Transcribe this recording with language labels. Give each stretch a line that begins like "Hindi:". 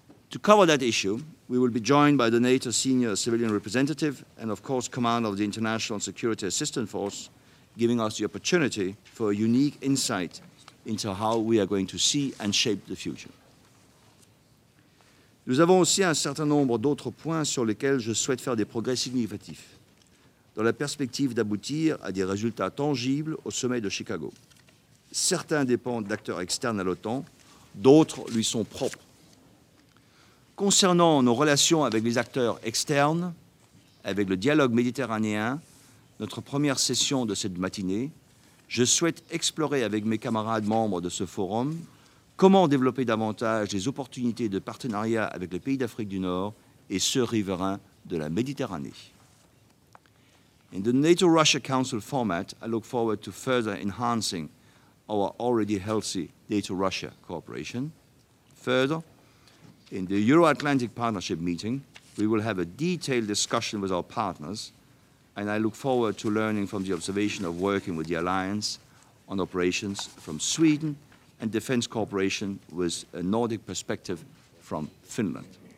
English: To cover that issue, we will be joined by the NATO senior civilian representative and, of course, commander of the International Security Assistance Force, giving us the opportunity for a unique insight into how we are going to see and shape the future.
French: Nous avons aussi un certain nombre d'autres points sur lesquels je souhaite faire des progrès significatifs, dans la perspective d'aboutir à des résultats tangibles au sommet de Chicago. Certains dépendent d'acteurs externes à l'OTAN, d'autres lui sont propres. Concernant nos relations avec les acteurs externes, avec le dialogue méditerranéen, notre première session de cette matinée, je souhaite explorer avec mes camarades membres de ce forum comment développer davantage les opportunités de partenariat avec les pays d'Afrique du Nord et ceux riverains de la Méditerranée.
English: In the NATO-Russia Council format, I look forward to further enhancing our already healthy NATO-Russia cooperation. Further, in the Euro-Atlantic Partnership meeting, we will have a detailed discussion with our partners, and I look forward to learning from the observation of working with the Alliance on operations from Sweden and defense cooperation with a Nordic perspective from Finland.